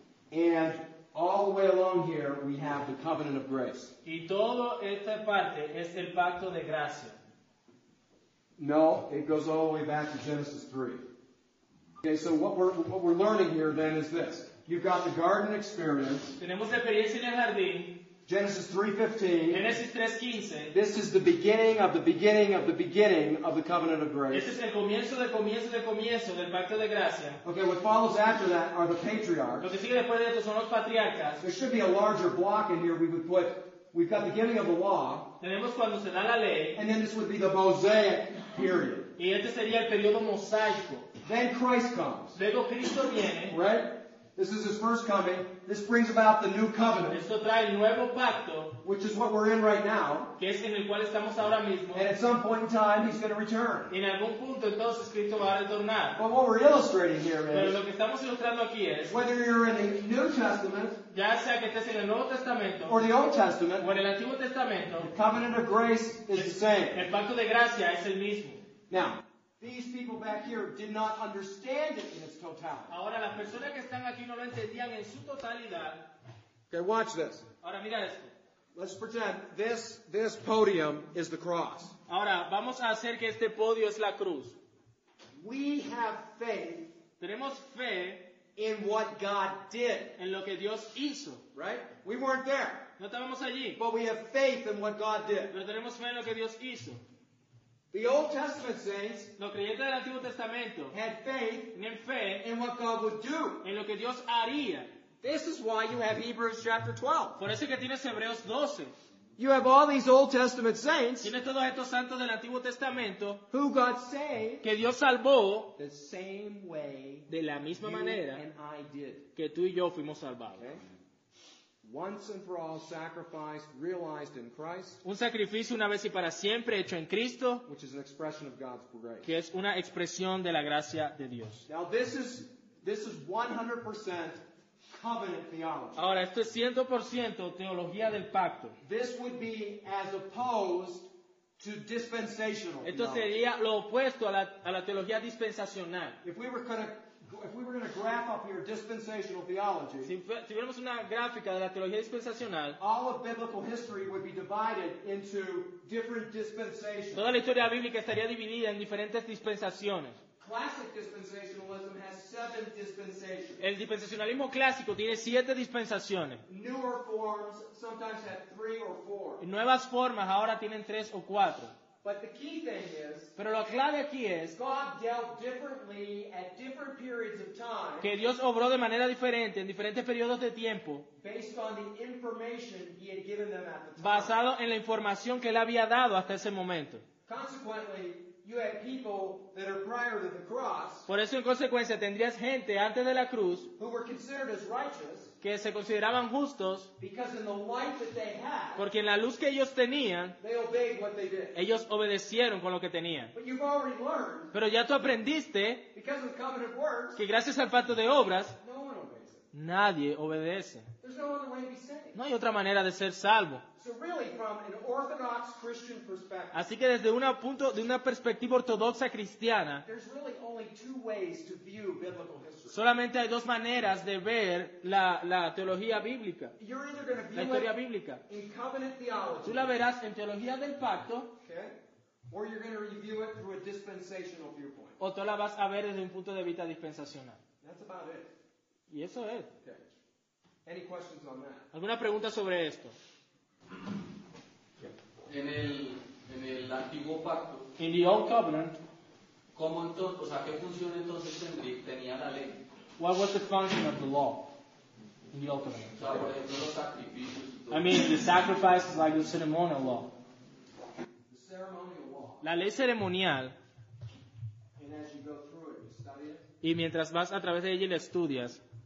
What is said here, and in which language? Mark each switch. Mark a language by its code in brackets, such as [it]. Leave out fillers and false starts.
[en] and all the way along here we have the covenant of grace. [es] Y todo esta parte es el pacto de gracia. [en] No, it goes all the way back to Genesis 3. Okay, so what we're learning here then is this. You've got the garden experience. [es] Tenemos experiencia en el jardín. [en] Genesis 3:15. Genesis 3:15. This is the beginning of the beginning of the beginning of the covenant of grace. [es] Este es el comienzo del comienzo del comienzo del pacto de gracia. [en] Okay, what follows after that are the patriarchs. [es] Lo que sigue después de esto son los patriarcas. [en] There should be a larger block in here. We've got the giving of the law. [es] Tenemos cuando se da la ley. [en] And then this would be the Mosaic period. [es] Y este sería el periodo mosaico. [en] Then Christ comes. [es] Luego Cristo viene. [en] Right? This is his first coming. This brings about the new covenant. [es] Esto trae nuevo pacto, [en] which is what we're in right now. [es] Que es en el cual estamos ahora mismo. [en] And at some point in time, he's going to return. [es] En algún punto, entonces, Cristo va a retornar. [en] But what we're illustrating here is, [es] pero lo que estamos ilustrando aquí es, [en] whether you're in the New Testament, [es] ya sea que estés en el Nuevo Testamento, [en] or the Old Testament, [es] o en el Antiguo Testamento, [en] the covenant of grace is the same. [es] El pacto de gracia es el mismo. [en] Now, these people back here did not understand it in its totality. [es] Ahora las personas que están aquí no lo entendían en su totalidad. [en] Okay, watch this. [es] Ahora mira esto. [en] Let's pretend this podium is the cross. [es] Ahora vamos a hacer que este podio es la cruz. [en] We have faith. [es] Tenemos fe [en] in what God did. [es] En lo que Dios hizo, [en] right? We weren't there. [es] No estábamos allí. [en] But we have faith in what God did. [es] Pero tenemos fe en lo que Dios hizo. [en] The Old Testament saints, [es] los creyentes del Antiguo Testamento, [en] had faith [es] en fe [en] in what God would do, [es] en lo que Dios haría. [en] This is why you have Hebrews chapter 12. [es] Por eso que tienes Hebreos 12. [en] You have all these Old Testament saints, [es] tienes todos estos santos del Antiguo Testamento, [en] who God saved, [es] que Dios salvó, [en] the same way, [es] de la misma [en] you [es] manera, [en] and I did, [es] que tú y yo fuimos salvados. [en] Okay? Once and for all sacrifice realized in Christ. [es] Un sacrificio una vez y para siempre hecho en Cristo. [en] Which is an expression of God's grace. [es] Que es una expresión de la gracia de Dios. [en] Now this is 100% covenant theology. [es] Ahora esto es 100% teología del pacto. [en] This would be as opposed to dispensational. [es] Esto theology. Sería lo opuesto a la teología dispensacional. [en] If we were going to graph up here dispensational theology, [es] si tuviéramos una gráfica de la teología dispensacional, [en] all of biblical history would be divided into different dispensations. [es] Toda la historia bíblica estaría dividida en diferentes dispensaciones. [en] Classic dispensationalism has 7 dispensations. [es] El dispensacionalismo clásico tiene 7 dispensaciones. [en] Newer forms sometimes have 3 or 4. [es] Nuevas formas ahora tienen 3 o 4. [en] But the key thing is, [es] pero la clave aquí es, [en] God dealt differently at different periods of time, [es] que Dios obró de manera diferente en diferentes periodos de tiempo, [en] based on the information he had given them at the time, [es] basado en la información que él había dado hasta ese momento. [en] Consequently, you have people that are prior to the cross, [es] por eso en consecuencia tendrías gente antes de la cruz, [en] who were considered as righteous, [es] que se consideraban justos, [en] because in the light that they had, [es] porque en la luz que ellos tenían, [en] they obeyed what they did. [es] Ellos obedecieron con lo que tenían. [en] But you've already learned, [es] pero ya tú aprendiste, [en] because of covenant works, [es] que gracias al pacto de obras, [en] no one obeys it. [es] Nadie obedece. [en] There's no other way to be saved. [es] No hay otra manera de ser salvo. [en] So really, from an orthodox Christian perspective, [es] así que desde un punto de una perspectiva ortodoxa cristiana, [en] there's really only 2 ways to view biblical history. [es] Solamente hay 2 maneras de ver la teología bíblica, [en] you're either going to view [es] la historia bíblica. [en] In covenant theology, [es] tú la verás en teología del pacto, [en] okay, or you're going to review it through a dispensational viewpoint. [es] O tú la vas a ver desde un punto de vista dispensacional. [en] That's about it. [es] Y eso es. [en] Okay. Any questions on that? [es] ¿Alguna pregunta sobre esto? Yeah. En el antiguo pacto, [en] in the old covenant, [es] ¿cómo entonces, o sea, qué función entonces tenía la ley? [en] What was the function of the law in the old covenant? [es] O sea, por ejemplo, los sacrificios, [en] I mean, the sacrifice is like the ceremonial law. The ceremonial law. [es] La ley ceremonial. [en] And as you go through it, you study it. [es] Y mientras vas a través de ella y la estudias,